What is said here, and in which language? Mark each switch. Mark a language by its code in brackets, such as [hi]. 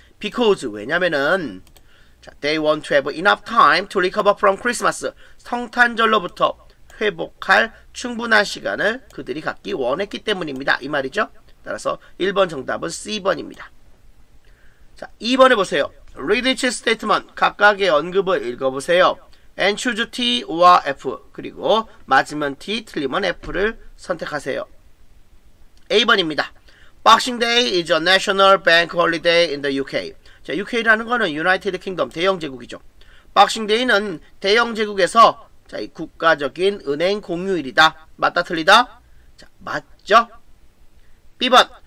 [en] Because, [ko] 왜냐면은, [en] 자, they want to have enough time to recover from Christmas. [ko] 성탄절로부터 회복할 충분한 시간을 그들이 갖기 원했기 때문입니다. 이 말이죠. 따라서 1번 정답은 C번입니다. 자, 2번을 보세요. [en] Read each statement. [ko] 각각의 언급을 읽어보세요. [en] And choose T or F. [ko] 그리고 맞으면 T, 틀리면 F를 선택하세요. A번입니다. [en] Boxing Day is a national bank holiday in the UK. [ko] 자, UK라는 거는 United Kingdom, 대영제국이죠. Boxing Day는 대영제국에서 자, 이 국가적인 은행 공휴일이다. 맞다, 틀리다? 자, 맞죠? B번.